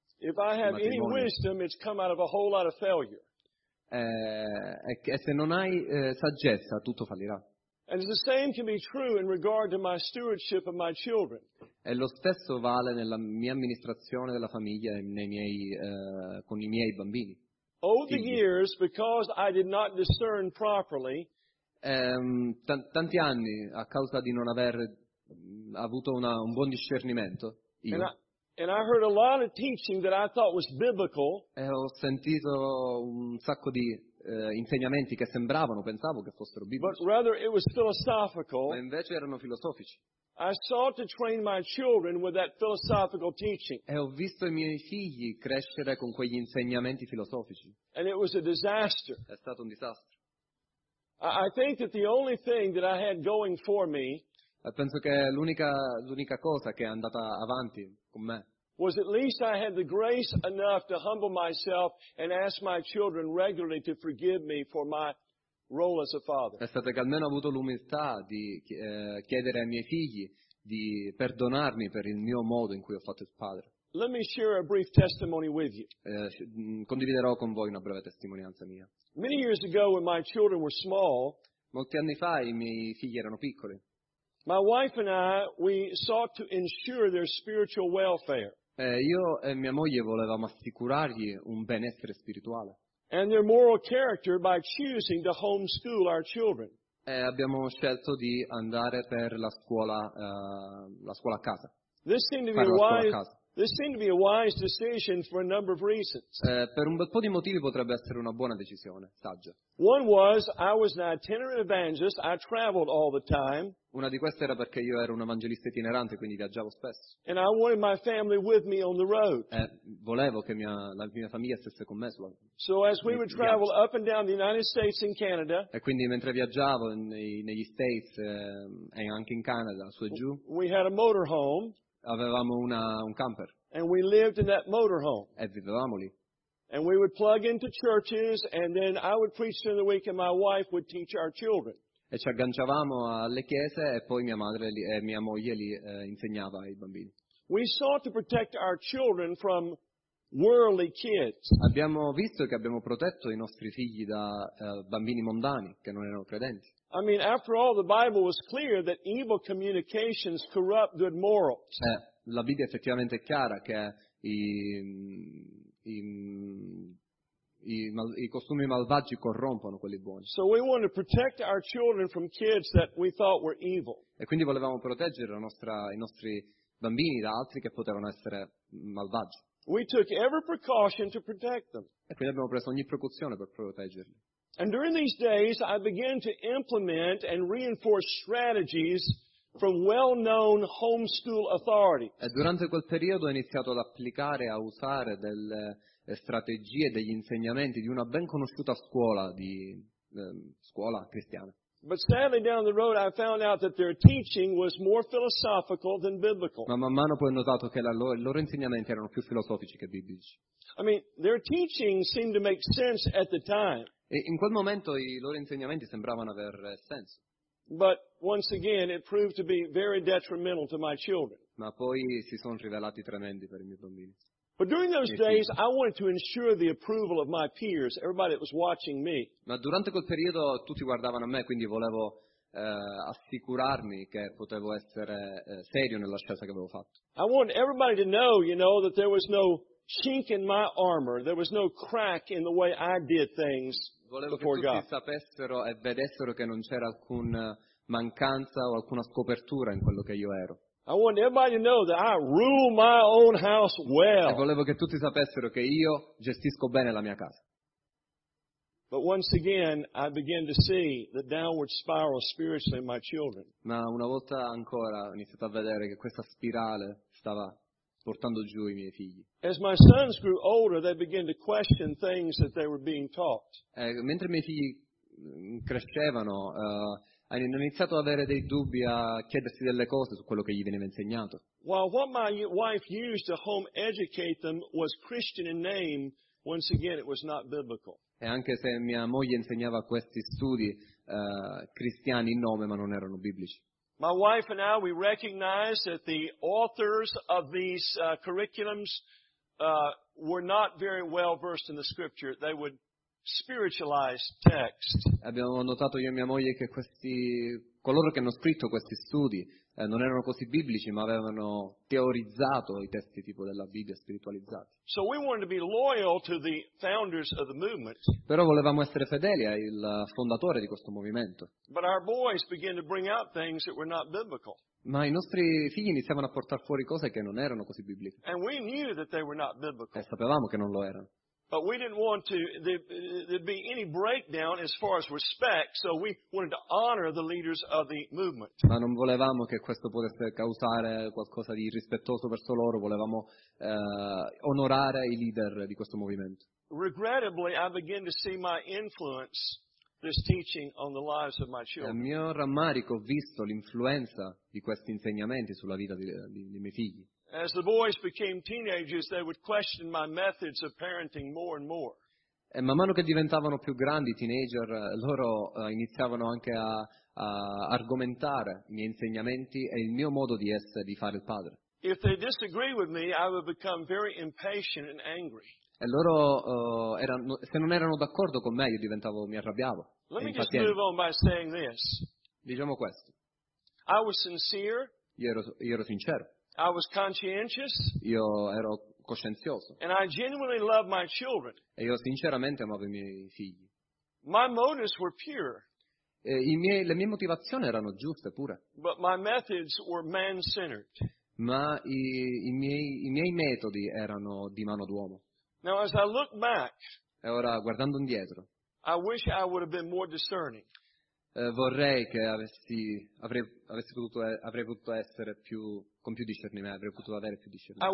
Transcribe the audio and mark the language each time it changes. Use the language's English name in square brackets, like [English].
[English] If I have any wisdom, it's come out of a whole lot of failure. [Italian] E se non hai saggezza, tutto fallirà. [English] And the same can be true in regard to my stewardship of my children. [Italian] E lo stesso vale nella mia amministrazione della famiglia e con i miei bambini. [English] Over the years, because I did not discern properly. [Italian] Tanti anni a causa di non aver avuto un buon discernimento io e ho sentito un sacco di insegnamenti che sembravano, pensavo che fossero biblici, [English] but rather it was philosophical. [Italian] Ma invece erano filosofici. [English] I sought to train my children with that philosophical teaching. [Italian] E ho visto i miei figli crescere con quegli insegnamenti filosofici. [English] And it was a disaster. [Italian] È stato un disastro. [English] I think that the only thing that I had going for me, [Italian] penso che l'unica cosa che è andata avanti con me, [English] was at least I had the grace enough to humble myself and ask my children regularly to forgive me for my role as a father. [Italian] È stato che almeno ho avuto l'umiltà di chiedere ai miei figli di perdonarmi per il mio modo in cui ho fatto il padre. [English] Let me share a brief testimony with you. [Italian] Condividerò con voi una breve testimonianza mia. [English] Many years ago, when my children were small, [Italian] molti anni fa i miei figli erano piccoli. [English] My wife and I, we sought to ensure their spiritual welfare. [Italian] Io e mia moglie volevamo assicurargli un benessere spirituale. [English] And their moral character by choosing to homeschool our children. [Italian] Abbiamo scelto di andare per la scuola a casa. [English] This seemed to be wise. This seemed to be a wise decision for a number of reasons. [Italian] Per un bel po' di motivi potrebbe essere una buona decisione, saggia. [English] One was I was an itinerant evangelist. I traveled all the time. [Italian] Una di queste era perché io ero un evangelista itinerante, quindi viaggiavo spesso. [English] And I wanted my family with me on the road. [Italian] Volevo che la mia famiglia stesse con me. [English] So as we would travel up and down the United States and Canada. [Italian] E quindi mentre viaggiavo negli States e anche in Canada su e giù. [English] We had a motor home. [Italian] Avevamo un camper. [English] And we lived in that motorhome. [Italian] E vivevamo lì. [English] And we would plug into churches, and then I would preach during the week, and my wife would teach our children. [Italian] E ci agganciavamo alle chiese, e poi mia madre e mia moglie li insegnava ai bambini. [English] We sought to protect our children from worldly kids. [Italian] Abbiamo visto che abbiamo protetto i nostri figli da bambini mondani che non erano credenti. [English] I mean, after all, the Bible was clear that evil communications corrupt good morals. [Italian] La Bibbia effettivamente è chiara che i costumi malvagi corrompono quelli buoni. [English] So we wanted to protect our children from kids that we thought were evil. [Italian] E quindi volevamo proteggere i nostri bambini da altri che potevano essere malvagi. [English] We took every precaution to protect them. [Italian] E quindi abbiamo preso ogni precauzione per proteggerli. [English] And during these days, I began to implement and reinforce strategies from well-known homeschool authorities. [Italian] E durante quel periodo ho iniziato ad applicare e a usare delle strategie, degli insegnamenti di una ben conosciuta scuola cristiana. [English] But sadly, down the road, I found out that their teaching was more philosophical than biblical. [Italian] Ma man mano poi ho notato che loro insegnamenti erano più filosofici che biblici. [English] I mean, their teaching seemed to make sense at the time. [Italian] E in quel momento i loro insegnamenti sembravano aver senso. [English] But once again, it proved to be very detrimental to my children. [Italian] Ma poi si sono rivelati tremendi per i miei bambini. [English] But during those days, I wanted to ensure the approval of my peers, everybody that was watching me. [Italian] Ma durante quel periodo tutti guardavano a me, quindi volevo assicurarmi che potevo essere serio nella scelta che avevo fatto. [English] I wanted everybody to know, you know, that there was no chink in my armor, there was no crack in the way I did things [Italian] volevo [English] before God. [Italian] Volevo che tutti sapessero e vedessero che non c'era alcuna mancanza o alcuna scopertura in quello che io ero. [English] I want everybody to know that I rule my own house well. [Italian] E volevo che tutti sapessero che io gestisco bene la mia casa. [English] But once again, I began to see the downward spiral spiritually in my children. [Italian] Ma una volta ancora ho iniziato a vedere che questa spirale stava portando giù i miei figli. [English] As my sons grew older, they began to question things that they were being taught. [Italian] E mentre i miei figli crescevano, hanno iniziato ad avere dei dubbi, a chiedersi delle cose su quello che gli veniva insegnato. [English] While what my wife used to home educate them was Christian in name, once again it was not biblical. [Italian] E anche se mia moglie insegnava questi studi cristiani in nome, ma non erano biblici. [English] My wife and I, we recognized that the authors of these curriculums were not very well versed in the scripture. They would spiritualized text. [Italian] Abbiamo notato io e mia moglie che questi coloro che hanno scritto questi studi non erano così biblici, ma avevano teorizzato i testi tipo della Bibbia spiritualizzati. [English] So we wanted to be loyal to the founders of the movement. [Italian] Però volevamo essere fedeli al fondatore di questo movimento. [English] But our boys began to bring out things that were not biblical. [Italian] Ma i nostri figli iniziavano a portare fuori cose che non erano così bibliche. [English] And we knew that they were not biblical. [Italian] E sapevamo che non lo erano. [English] But we didn't want to there be any breakdown as far as respect, so we wanted to honor the leaders of the movement. [Italian] Ma non volevamo che questo potesse causare qualcosa di irrispettoso verso loro, volevamo onorare i leader di questo movimento. [English] Regrettably, I began to see my influence this teaching on the lives of my children. [Italian] A mio rammarico, ho visto l'influenza di questi insegnamenti sulla vita dei miei figli. [English] As the boys became teenagers, they would question my methods of parenting more and more. [Italian] E man mano che diventavano più grandi, teenager, loro iniziavano anche a argomentare i miei insegnamenti e il mio modo di essere, di fare il padre. [English] If they disagree with me, I would become very impatient and angry. [Italian] E loro se non erano d'accordo con me, io diventavo, mi arrabbiavo. [English] Let me just move on by saying this. [Italian] Diciamo questo. [English] I was sincere. [Italian] Io ero sincero. [English] I was conscientious. [Italian] Io ero coscienzioso. [English] And I genuinely loved my children. [Italian] E io sinceramente amavo i miei figli. [English] My motives were pure. [Italian] E le mie motivazioni erano giuste, pure. [English] But my methods were man-centered. [Italian] Ma i miei metodi erano di mano d'uomo. [English] Now as I look back, [Italian] e ora guardando indietro, [English] I wish I would have been more discerning. [Italian] Vorrei che avrei potuto essere più con più discernimento, avrei potuto avere più discernimento.